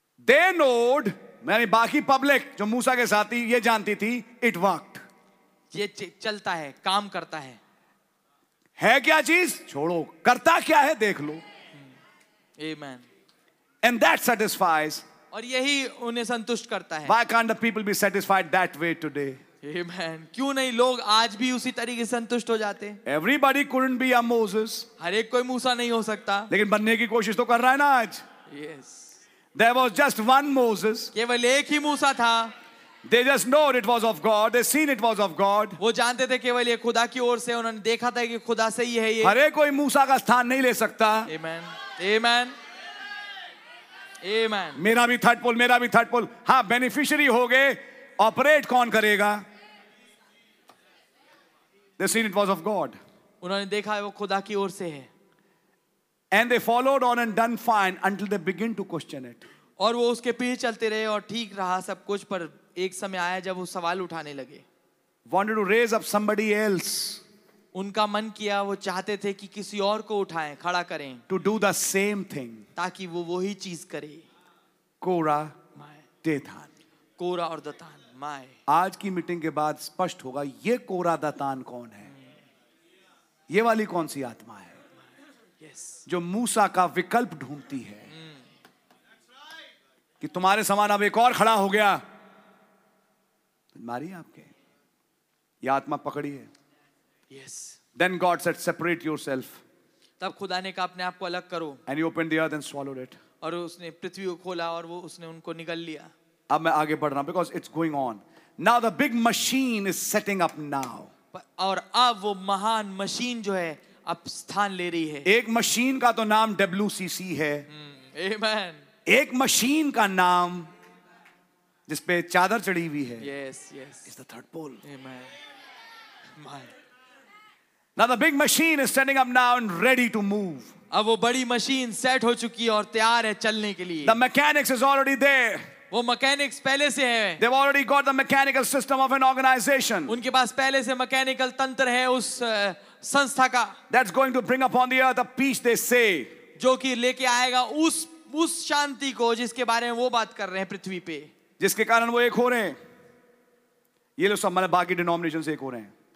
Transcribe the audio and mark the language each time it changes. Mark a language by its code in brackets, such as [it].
[en] they nod, [hi] यानी बाकी public जो मूसा के साथ ही, ये जानती थी [en] it worked, [hi] ये चलता है, काम करता है. है क्या चीज छोड़ो, करता क्या है देख लो. [en] Amen. And that satisfies. [hi] और यही उन्हें संतुष्ट करता है. [en] Why can't the people be satisfied that way today? Amen. [hi] क्यों नहीं लोग आज भी उसी तरीके से संतुष्ट हो जाते? [en] Everybody couldn't be a Moses. [hi] हर एक कोई मूसा नहीं हो सकता. लेकिन बनने की कोशिश तो कर रहा है ना आज. [en] Yes. There was just one Moses. [hi] केवल एक ही मूसा था. [en] They just know it was of God. They seen it was of God. [hi] वो जानते थे केवल ये खुदा की ओर से, उन्होंने देखा था कि खुदा से ही है ये. हर एक कोई मूसा का स्थान नहीं ले सकता. [en] Amen. Amen. Amen. [hi] मेरा भी थर्ड पोल, मेरा भी थर्ड पोल. हाँ, बेनिफिशियरी हो गए, ऑपरेट कौन करेगा? [en] They seen it was of God. [hi] उन्होंने देखा है वो खुदा की ओर से है. [en] And they followed on and done fine until they begin to question it. [hi] और वो उसके पीछे चलते रहे और ठीक रहा सब कुछ, पर एक समय आया जब वो सवाल उठाने लगे. [en] Wanted to raise up somebody else. [hi] उनका मन किया, वो चाहते थे कि किसी और को उठाएं, खड़ा करें. [en] to do the same thing, [hi] ताकि वो वही चीज करे. कोरा दतान, कोरा और दतान माय. आज की मीटिंग के बाद स्पष्ट होगा ये कोरा दतान कौन है. ये वाली कौन सी आत्मा है जो मूसा का विकल्प ढूंढती है. कि तुम्हारे समान अब एक और खड़ा हो गया. मारी आपके ये आत्मा पकड़ी है. [en] Yes. Then God said, "Separate yourself." [hi] तब खुदा ने कहा, अपने आप को अलग करो. [en] And he opened the earth and swallowed it. [hi] और उसने पृथ्वी को खोला और वो उसने उनको निगल लिया. अब मैं आगे बढ़ रहा हूँ, [en] because it's going on. Now the big machine is setting up now. [hi] और अब वो महान मशीन जो है अब स्थान ले रही है. एक मशीन का तो नाम WCC है. [en] Amen. [hi] एक मशीन का नाम जिस पे चादर चढ़ी हुई है. [en] Yes, yes. It's the third pole. Amen. My. Now the big machine is standing up now and ready to move. [hi] अब वो बड़ी मशीन सेट हो चुकी है और तैयार है चलने के लिए. [en] The mechanics is already there. [hi] वो मैकेनिक्स पहले से हैं. [en] They've already got the mechanical system of an organization. [hi] उनके पास पहले से मैकेनिकल तंत्र है उस संस्था का. [en] That's going to bring upon the earth a peace they say. [hi] जो कि लेके आएगा उस शांति को जिसके बारे में वो बात कर रहे हैं पृथ्वी पे. जिसके कारण वो एक हो रहे हैं. ये लोग सब मतलब बाकी डिनोमिनेशन से एक हो रहे हैं.